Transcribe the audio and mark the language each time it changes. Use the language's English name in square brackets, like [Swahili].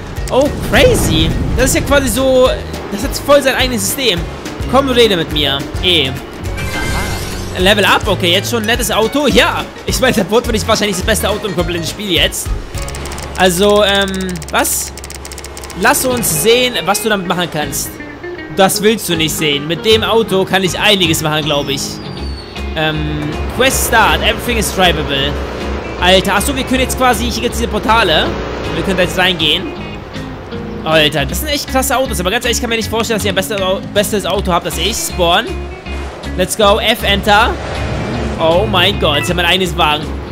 [German] Oh, crazy. Das ist ja quasi so... Das hat voll sein eigenes System. Komm, rede mit mir. Level up, okay. Jetzt schon ein nettes Auto. Ja, ich meine, das wurde wahrscheinlich das beste Auto im kompletten Spiel jetzt. Also, was? Lass uns sehen, was du damit machen kannst. Das willst du nicht sehen. Mit dem Auto kann ich einiges machen, glaube ich. [English] Quest start, everything is drivable. [German] Alter, achso, wir können jetzt quasi, hier gibt es diese Portale. Wir können da jetzt reingehen. Alter, das sind echt krasse Autos, aber ganz ehrlich, ich kann mir nicht vorstellen, dass ihr ein besseres Auto habt als ich. Spawn. [English] Let's go, F, enter. [German] Oh mein Gott, ich habe mein eigenes Wagen.